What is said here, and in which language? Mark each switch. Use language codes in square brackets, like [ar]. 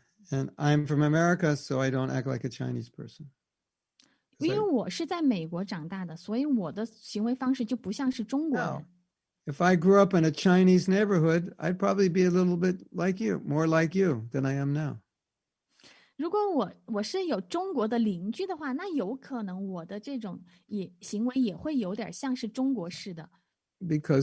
[en] And I'm from America, so I don't act like a Chinese person. [zh] 因为我是在美国长大的，所以我的行为方式就不像是中国人。 [en] Now, if I grew up in a Chinese neighborhood, I'd probably be a little bit like you, more like you than I am now. [zh] 如果我是有中国的邻居的话，那有可能我的这种行为也会有点像是中国式的。 [en] Because